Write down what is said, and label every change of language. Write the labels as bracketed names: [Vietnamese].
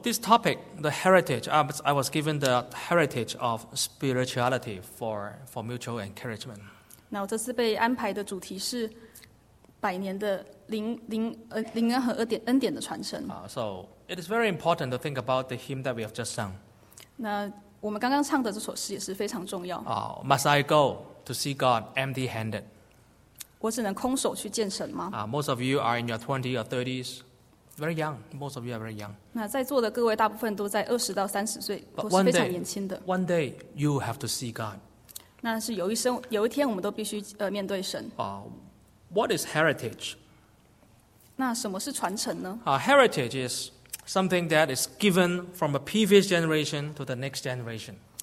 [English] this topic, the heritage, I was given the heritage of spirituality for mutual encouragement. [Chinese] 那我这次被安排的主题是 百年的灵恩和恩典的传承。 [English] So it is very important to think about the hymn that we have just sung. [Chinese] 那我们刚刚唱的这首诗也是非常重要。 [English] Must I go to see God empty-handed? [Chinese] 我只能空手去见神吗？ [English] Most of you are in your 20s or 30s. Very young. Most of you are very young. [Chinese] 那在座的各位大部分都在20到30岁, 都是非常年轻的。 [English] One day, you have to see God. [Chinese] 那是有一天我们都必须面对神。 [English] What is heritage? [Chinese] 那什么是传承呢? [English] Heritage is something that is given from a previous generation to the next generation.